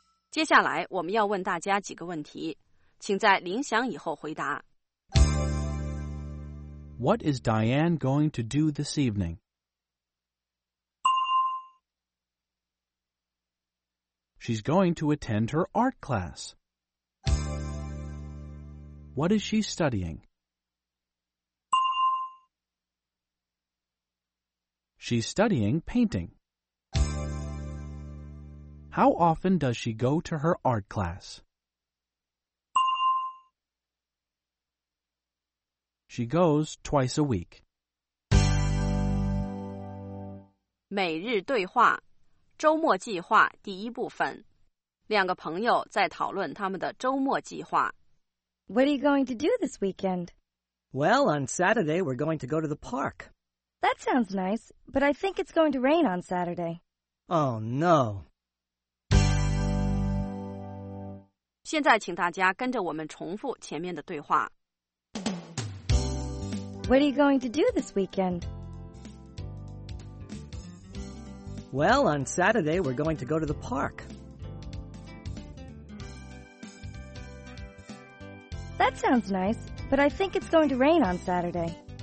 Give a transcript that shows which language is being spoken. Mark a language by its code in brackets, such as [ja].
[zh] 接下来我们要问大家几个问题，请在铃响以后回答。 [en] What is Diane going to do this evening? She's going to attend her art class. What is she studying? She's studying painting. How often does she go to her art class? She goes twice a week. [zh] 每日对话，周末计划第一部分，两个朋友在讨论他们的周末计划。 [en] What are you going to do this weekend? Well, on Saturday, we're going to go to the park. That sounds nice, but I think it's going to rain on Saturday. Oh, no. [zh] 现在请大家跟着我们重复前面的对话。 [en] What are you going to do this weekend? Well, on Saturday, we're going to go to the park. That sounds nice, but I think it's going to rain on Saturday.